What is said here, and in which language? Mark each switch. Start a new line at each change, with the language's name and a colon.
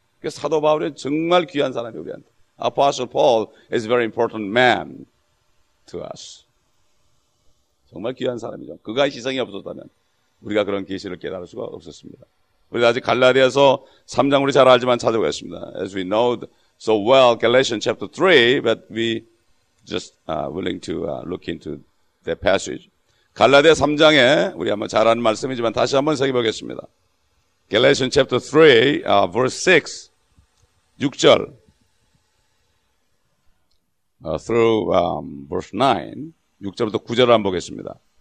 Korean: 사도 바울은 정말 귀한 사람이 우리한테.
English: Apostle Paul is a very important man to us.
Korean: 정말 귀한 사람이죠. 그가 희생이 없었다면 우리가 그런 계시를 깨달을 수가 없었습니다. 우리 아직 갈라디아서 3장 우리 잘 알지만 찾아보겠습니다.
English: As we know so well Galatians chapter 3, but we just willing to look into the passage.
Korean: 갈라디아 3장에 우리 한번 잘 아는 말씀이지만 다시 한번 살펴보겠습니다.
English: Galatians chapter 3, verse 6, 6절 through verse 9,
Korean: 6절부터 9절을 한번 보겠습니다.